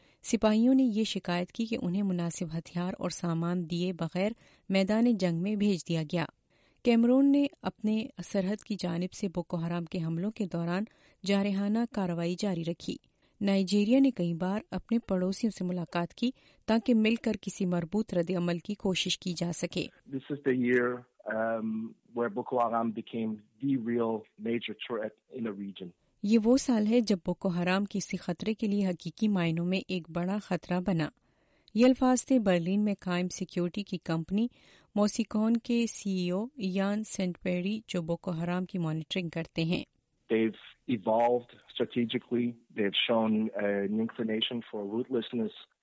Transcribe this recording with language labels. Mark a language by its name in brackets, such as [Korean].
[Urdu] سپاہیوں نے یہ شکایت کی کہ انہیں مناسب ہتھیار اور سامان دیے بغیر میدان جنگ میں بھیج دیا گیا. کیمرون نے اپنے سرحد کی جانب سے بوکو حرام کے حملوں کے دوران جارحانہ کارروائی جاری رکھی. نائجیریا نے کئی بار اپنے پڑوسیوں سے ملاقات کی تاکہ مل کر کسی مربوط رد عمل کی کوشش کی جا سکے. [English] This is the year where Boko Haram became the real major threat in the region. [Urdu] یہ وہ سال ہے جب بوکو حرام کسی خطرے کے لیے حقیقی معنوں میں ایک بڑا خطرہ بنا. یہ الفاظ تھے برلین میں قائم سیکیورٹی کی کمپنی موسیکون کے سی ای او یان سینٹ پیری جو بوکو حرام کی مانیٹرنگ کرتے ہیں. [English] They've evolved strategically. They've shown an inclination for ruthlessness.